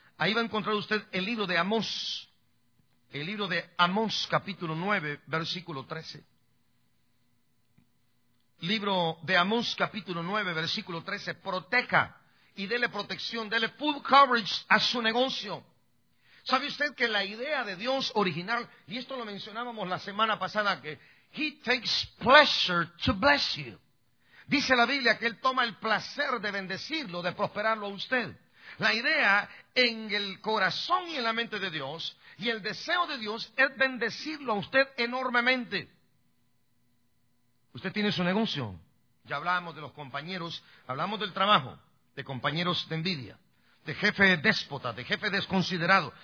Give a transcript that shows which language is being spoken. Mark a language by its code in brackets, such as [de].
[es] Ahí va a encontrar usted el libro de Amós, el libro de Amós, capítulo 9, versículo 13. Libro de Amós, capítulo 9, versículo 13. Proteja y dele protección, dele [en] full coverage [es] a su negocio. ¿Sabe usted que la idea de Dios original, y esto lo mencionábamos la semana pasada, que [en] He takes pleasure to bless you. [es] Dice la Biblia que Él toma el placer de bendecirlo, de prosperarlo a usted. La idea en el corazón y en la mente de Dios y el deseo de Dios es bendecirlo a usted enormemente. Usted tiene su negocio. Ya hablábamos de los compañeros, hablamos del trabajo, de compañeros de envidia, de jefe déspota, de jefe desconsiderado.